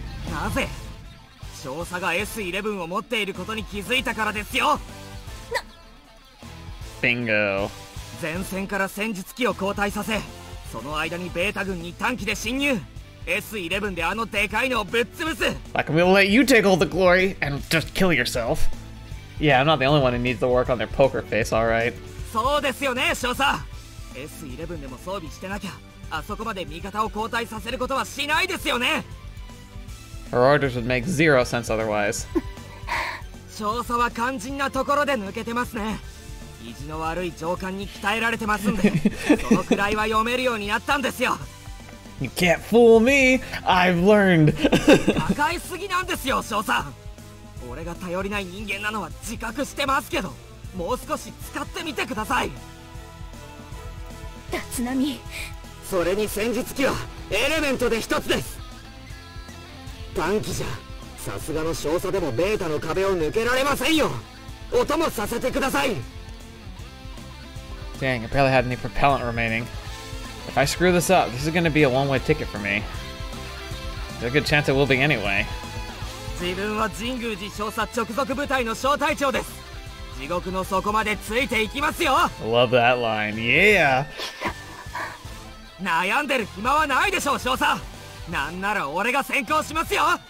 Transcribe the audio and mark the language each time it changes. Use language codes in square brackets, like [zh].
[ja] なぜ？少佐が S11 を持っていることに気づいたからですよ。 [en] Bingo. [ja] 前線から戦術機を交代させ、その間にベータ軍に短期で侵入。 S11 であのでかいのをぶっ潰す。 [en] Like, we'll let you take all the glory and just kill yourself. Yeah, I'm not the only one who needs to work on their poker face, alright. [ja] そうですよね、少佐。 S11 でも装備してなきゃ、あそこまで味方を交代させることはしないですよね。 [en] Her orders would make zero sense otherwise. [ja] 少佐は肝心なところで抜けてますね。意地の悪い上官に鍛えられてますんで、そのくらいは読めるようになったんですよ。 [en] You can't fool me. I've learned. [ja] 抱えすぎなんですよ、少佐。俺が頼りない人間なのは自覚してますけど、もう少し使ってみてください。立浪。それに戦術機はエレメントで一つです。短期じゃ、さすがの少佐でもベータの壁を抜けられませんよ。お供させてください。 [en] Dang, I barely had any propellant remaining. If I screw this up, this is going to be a one-way ticket for me. There's a good chance it will be anyway. [ja] 自分は神宮寺少佐直属部隊の小隊長です。地獄の底までついていきますよ。 [en] Love that line. Yeah. [ja] 悩んでる暇はないでしょう、少佐。なんなら俺が先行しますよ。